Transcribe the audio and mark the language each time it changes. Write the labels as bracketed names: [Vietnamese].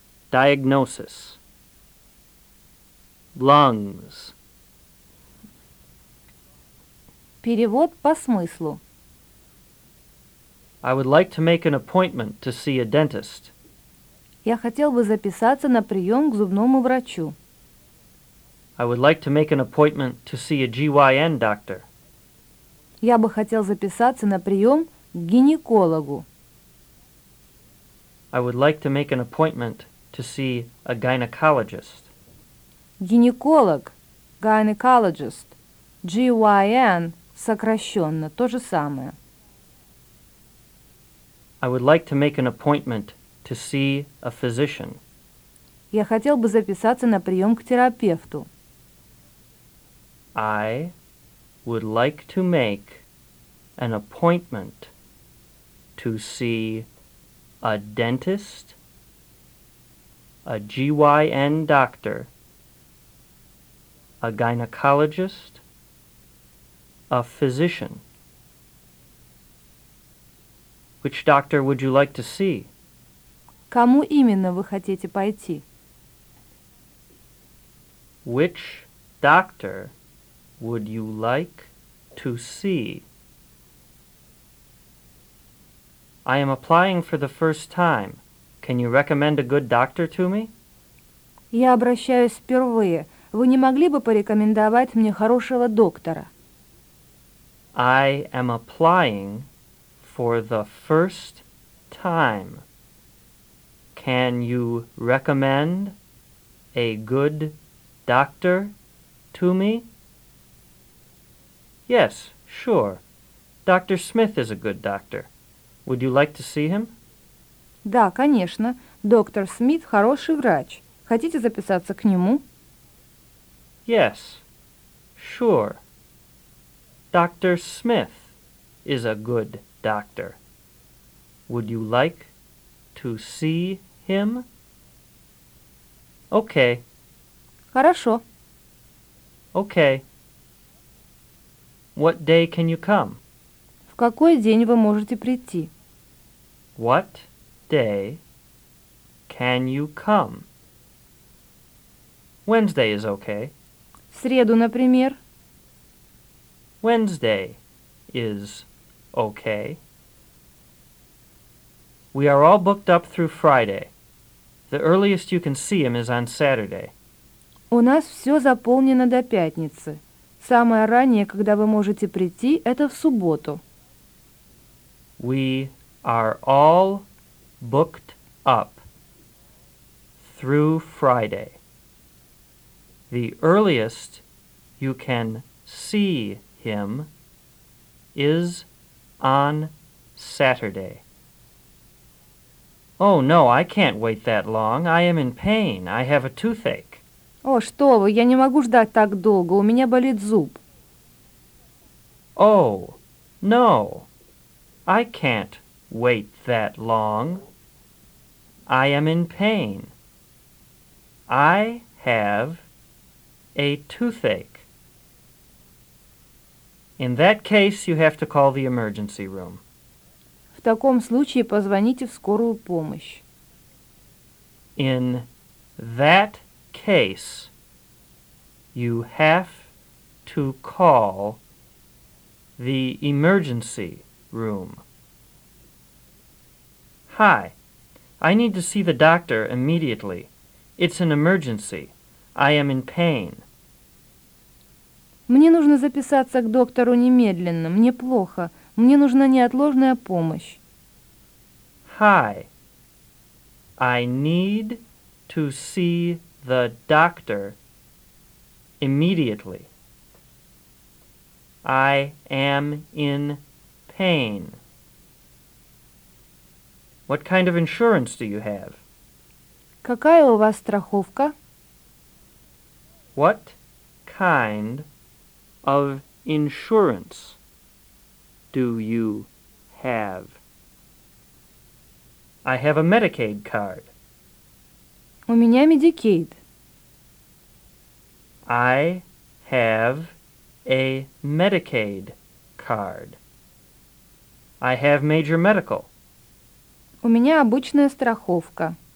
[English] Diagnosis. Lungs. [Russian] Перевод по смыслу. [English] I would like to make an appointment to see a dentist. [Russian] Я хотел бы записаться на прием к зубному врачу. [English] I would like to make an appointment to see a GYN doctor. [Russian] Я бы хотел записаться на прием к гинекологу. [English] I would like to make an appointment to see a gynecologist. [Russian] Гинеколог, gynecologist, GYN, сокращенно, то же самое. [English] I would like to make an appointment to see a physician. [Russian] Я хотел бы записаться на прием к терапевту. [English] I would like to make an appointment to see a dentist, a GYN doctor, a gynecologist, a physician. Which doctor would you like to see? [Russian] Кому именно вы хотите пойти? [English] Which doctor would you like to see? I am applying for the first time. Can you recommend a good doctor to me? [Russian] Я обращаюсь впервые. Вы не могли бы порекомендовать мне хорошего доктора? [English] I am applying for the first time. Can you recommend a good doctor to me? Yes, sure. Dr. Smith is a good doctor. Would you like to see him? [Russian] Да, конечно. Доктор Смит хороший врач. Хотите записаться к нему? [English] Yes, sure. Dr. Smith is a good doctor. Would you like to see him? Okay. [Russian] Хорошо. [English] Okay. What day can you come? [Russian] В какой день вы можете прийти? [English] What day can you come? Wednesday is okay. [Russian] В среду, например. [English] Wednesday is okay. We are all booked up through Friday. The earliest you can see him is on Saturday. [Russian] У нас все заполнено до пятницы. Самое раннее, когда вы можете прийти, это в субботу. [English] We are all booked up through Friday. The earliest you can see him is on Saturday. Oh, no, I can't wait that long. I am in pain. I have a toothache. [Russian] О, что вы, я не могу ждать так долго. У меня болит зуб. [English] Oh, no, I can't wait that long. I am in pain. I have a toothache. In that case, you have to call the emergency room. [Russian] В таком случае позвоните в скорую помощь. [English] In that case, you have to call the emergency room. Hi, I need to see the doctor immediately. It's an emergency. I am in pain. [Russian] Мне нужно записаться к доктору немедленно. Мне плохо. Мне нужна неотложная помощь. [English] Hi. I need to see the doctor immediately. I am in pain. What kind of insurance do you have? [Russian] Какая у вас страховка? [English] What kind of insurance do you have? I have a Medicaid card. [Russian] У меня Medicaid. [English] I have a Medicaid card. I have major medical. [Russian] У меня обычная страховка.